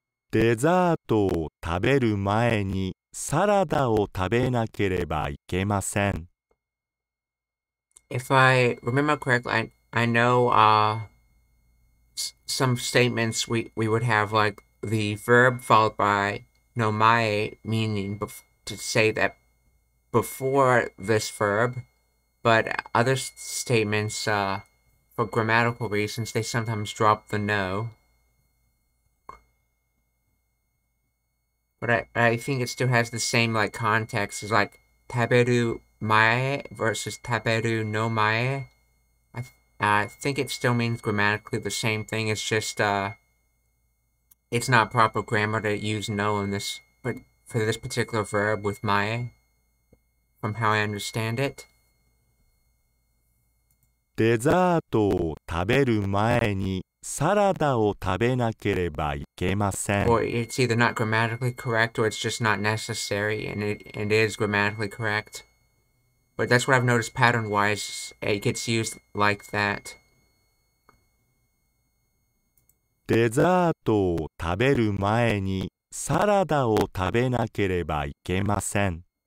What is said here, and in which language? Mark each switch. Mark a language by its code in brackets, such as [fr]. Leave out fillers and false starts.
[ja] デザートを食べる前にサラダを食べなければいけません。 [en] If I remember correctly, I know some statements we would have like the verb followed by no mae, meaning to say that before this verb, but other statements, for grammatical reasons, they sometimes drop the no. But I think it still has the same like context as like taberu mae versus taberu no mae. I think it still means grammatically the same thing. It's just, it's not proper grammar to use no in this, but for this particular verb with mae, from how I understand it. [ja] デザートを食べる前にサラダを食べなければいけません。 [en] Or it's either not grammatically correct or it's just not necessary and it is grammatically correct. But that's what I've noticed pattern-wise, it gets used like that. [ja] デザートを食べる前にサラダを食べなければいけません。